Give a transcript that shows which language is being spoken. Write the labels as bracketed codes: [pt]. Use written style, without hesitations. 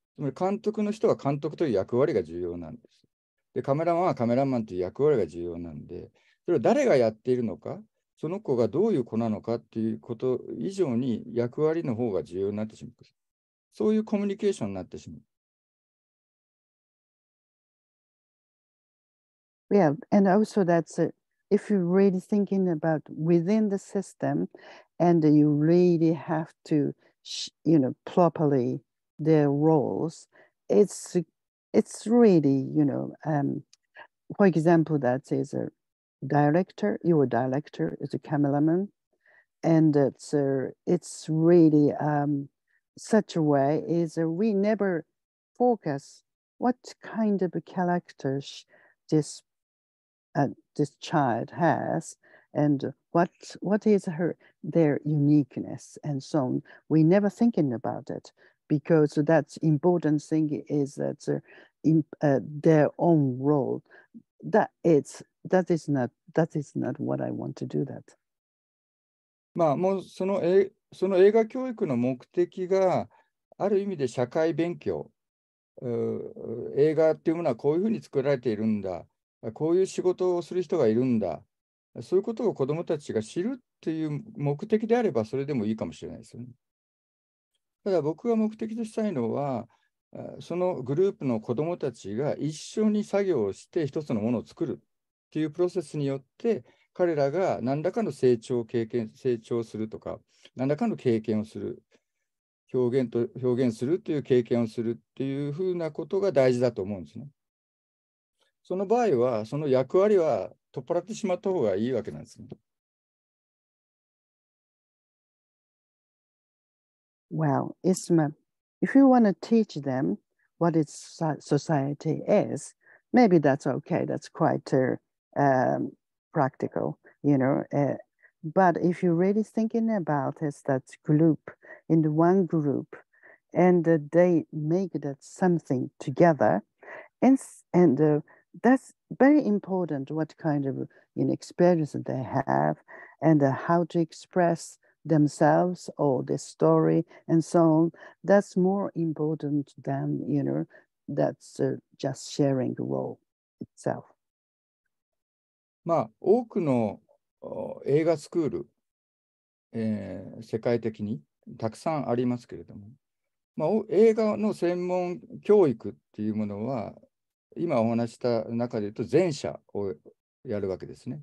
[ja] つまり監督の人は監督という役割が重要なんです。でカメラマンはカメラマンという役割が重要なんで、それは誰がやっているのか、その子がどういう子なのかっていうこと以上に役割の方が重要になってしまう。そういうコミュニケーションになってしまう。 [en] Yeah, and also that's if you really thinking about within the system, and you really have to, you know, properly their roles, it's really, you know, for example, that is a director, your director is a cameraman, and it's really such a way is we never focus what kind of character this child has and what is their uniqueness and so on. We never thinking about it. Because that's important thing is that their own role. That is not what I want to do that. [ja] まあもうその映画教育の目的がある意味で社会勉強。映画っていうものはこういうふうに作られているんだ。こういう仕事をする人がいるんだ。そういうことを子どもたちが知るっていう目的であればそれでもいいかもしれないですよね。ただ僕が目的としたいのは、そのグループの子どもたちが一緒に作業をして一つのものを作るっていうプロセスによって、彼らが何らかの成長するとか、何らかの経験をする、表現するっていう経験をするっていうふうなことが大事だと思うんですね。その場合は、その役割は取っ払ってしまった方がいいわけなんですね。 [en] Well, Isma, if you want to teach them what its society is, maybe that's okay. That's quite practical, you know. But if you're really thinking about it, that group, in the one group, and they make that something together, and that's very important what kind of experience they have and how to express themselves or the story and so on, that's more important than, you know, that's just sharing the role itself. [ja] まあ、多くの映画スクール、世界的にたくさんありますけれども、まあ、映画の専門教育っていうものは、今お話した中で言うと前者をやるわけですね。